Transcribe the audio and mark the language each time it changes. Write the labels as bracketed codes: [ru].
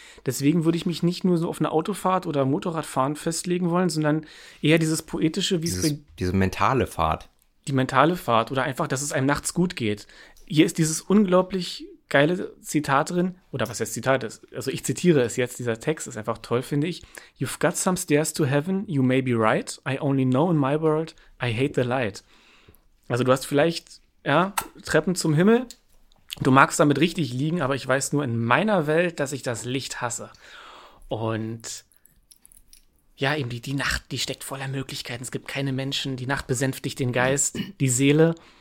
[de] Deswegen würde ich mich nicht nur so auf eine Autofahrt oder Motorradfahren festlegen wollen, sondern eher dieses poetische, diese mentale Fahrt. Die mentale Fahrt oder einfach, dass es einem nachts gut geht. Hier ist dieses unglaublich geile Zitat drin, oder was jetzt Zitat ist, also ich zitiere es jetzt, dieser Text ist einfach toll, finde ich. [en] You've got some stairs to heaven, you may be right, I only know in my world, I hate the light. [de] Also du hast vielleicht, ja, Treppen zum Himmel, du magst damit richtig liegen, aber ich weiß nur in meiner Welt, dass ich das Licht hasse. Und ja, eben die Nacht, die steckt voller Möglichkeiten, es gibt keine Menschen, die Nacht besänftigt den Geist, die Seele.